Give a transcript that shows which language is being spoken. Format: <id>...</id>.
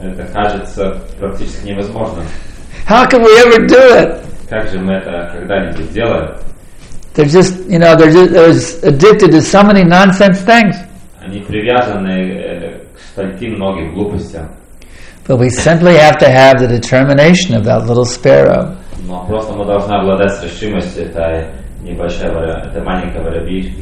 <ru>Это кажется практически невозможно.</ru> <en>How can we ever do it?</en> <ru>Как же мы это когда-нибудь сделаем?</ru> <en>They're just, you know, they're addicted to so many nonsense things.</en> <ru>Они привязаны к стольким многим глупостям.</ru> <en>But we simply have to have the determination of that little sparrow.</en> <ru>Но просто мы должны обладать решимостью этой небольшой этой маленькой воробьишки.</ru>